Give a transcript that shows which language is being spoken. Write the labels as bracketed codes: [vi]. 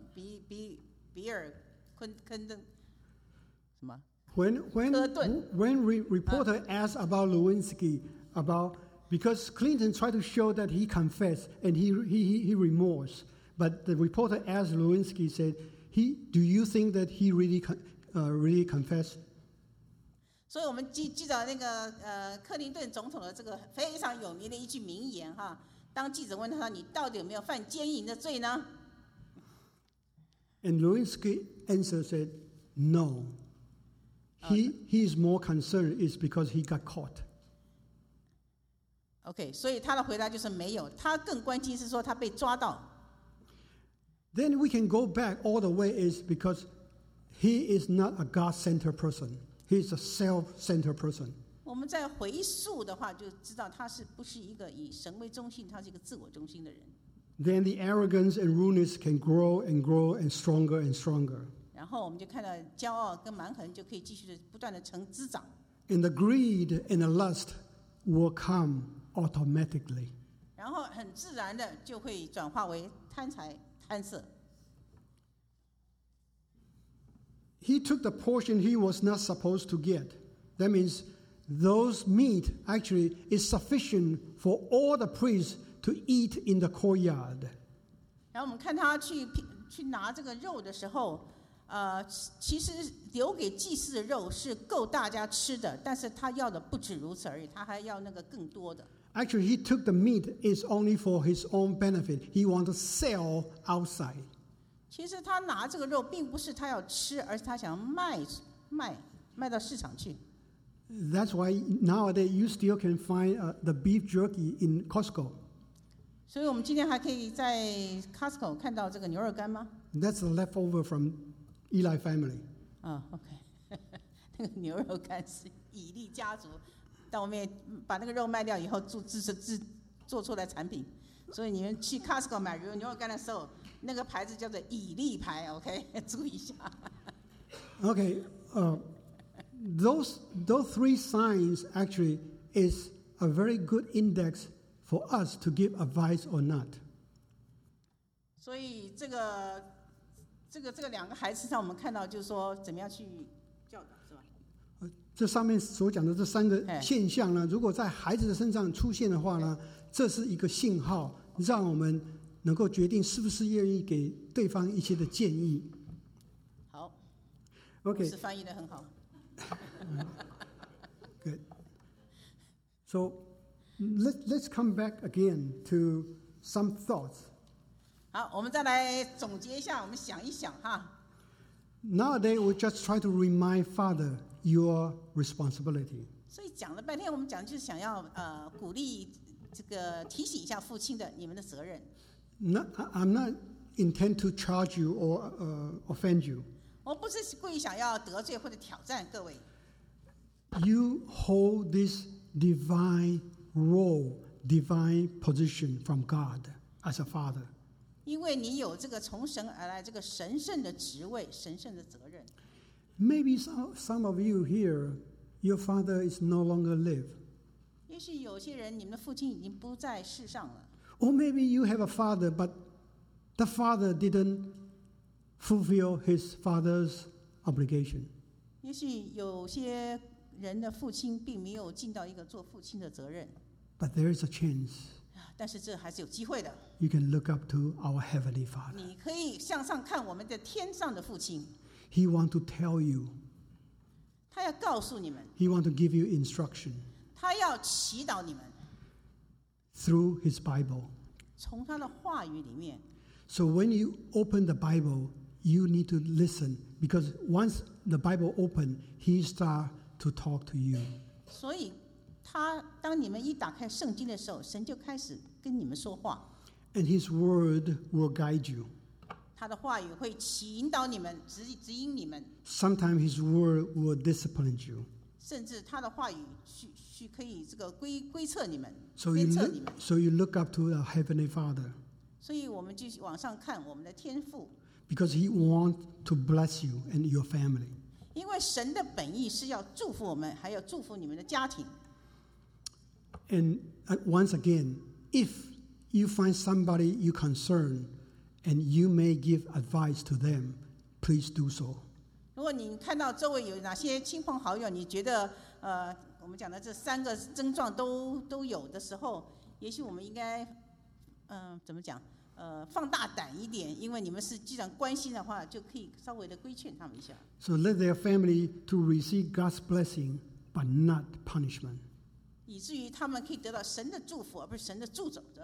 [en] When reporter asked about Lewinsky about because Clinton tried to show that he confessed and he remorse, but the reporter asked Lewinsky said, "He, do you think that he really confessed?" [zh] 所以我们记得那个克林顿总统的这个非常有名的一句名言哈，当记者问他你到底有没有犯奸淫的罪呢？ [en] And Lewinsky answer said, "No. He is more concerned is because he got caught." [zh] Okay, 所以他的回答就是没有。他更关心是说他被抓到。 [en] Then we can go back all the way is because he is not a God-centered person. He is a self-centered person. [zh] 我们在回溯的话，就知道他是不是一个以神为中心，他是一个自我中心的人。 [en] Then the arrogance and rudeness can grow and grow and stronger and stronger. [zh] 然后我们就看到骄傲跟蛮横就可以继续不断的成滋长。 [en] And the greed and the lust will come automatically. [zh] 然后很自然的就会转化为贪财贪色。 [en] He took the portion he was not supposed to get. That means those meat actually is sufficient for all the priests to eat in the courtyard. [zh] 然后我们看他去拿这个肉的时候。其实留给祭司的肉是够大家吃的，但是他要的不止如此而已，他还要那个更多的。 [en] Actually, he took the meat is only for his own benefit. He wants to sell outside. [zh] 其实他拿这个肉并不是他要吃，而是他想卖到市场去。 [en] That's why nowadays you still can find the beef jerky in Costco. [zh] 所以我们今天还可以在 Costco 看到这个牛肉干吗 [en] ？That's the leftover from Eli family. Oh, okay. [zh] 那个牛肉干是以利家族到外面把那个肉卖掉以后做出来产品。所以你们去 Costco 买牛肉干的时候，那个牌子叫做以利牌。 Okay, 注意一下。 [en] Okay, those three signs actually is a very good index for us to give advice or not. [zh] 所以这个。这个两个孩子上，我们看到就是说怎么样去教导，是吧？这上面所讲的这三个现象呢，如果在孩子的身上出现的话呢，这是一个信号，让我们能够决定是不是愿意给对方一些的建议。好，OK，是翻译的很好。 [en] Good. So let's come back again to some thoughts. [zh] 好，我们再来总结一下，我们想一想哈。 [en] Nowadays, we just try to remind father your responsibility. [zh] 所以讲了半天，我们讲就是想要鼓励这个提醒一下父亲的你们的责任。 [en] I'm not intend to charge you or offend you. [zh] 我不是故意想要得罪或者挑战各位。 [en] You hold this divine role, divine position from God as a father. [zh] 因为你有这个从神而来这个神圣的职位神圣的责任 [en] Maybe some of you here your father is no longer live [zh] 也许有些人你们的父亲已经不在世上了 [en] Or maybe you have a father but the father didn't fulfill his father's obligation [zh] 也许有些人的父亲并没有尽到一个做父亲的责任 [en] But there is a chance [zh] 但是这还是有机会的。 [en] You can look up to our heavenly Father. [zh] 你可以向上看我们的天上的父亲。 [en] He wants to tell you. [zh] 他要告诉你们。 [en] He wants to give you instruction. [zh] 他要祈祷你们。 [en] Through his Bible. [zh] 从他的话语里面。 [en] So when you open the Bible, you need to listen because once the Bible open, he starts to talk to you. [zh] 所以。他当你们一打开圣经的时候，神就开始跟你们说话。 [en] And His word will guide you. [zh] 他的话语会引导你们，指引你们。 [en] Sometimes His word will discipline you. [zh] 甚至他的话语去可以这个规测你们。 [en] So you look up to the Heavenly Father. [zh] 所以我们就往上看我们的天父。 [en] Because He wants to bless you and your family. [zh] 因为神的本意是要祝福我们，还要祝福你们的家庭。 [en] And once again, if you find somebody you concern, and you may give advice to them, please do so. [zh] 如果你看到周围有哪些亲朋好友，你觉得我们讲的这三个症状都有的时候，也许我们应该怎么讲放大胆一点，因为你们是既然关心的话，就可以稍微的规劝他们一下。 [en] So let their family to receive God's blessing, but not punishment. [zh] 以至于他们可以得到神的祝福，而不是神的咒诅。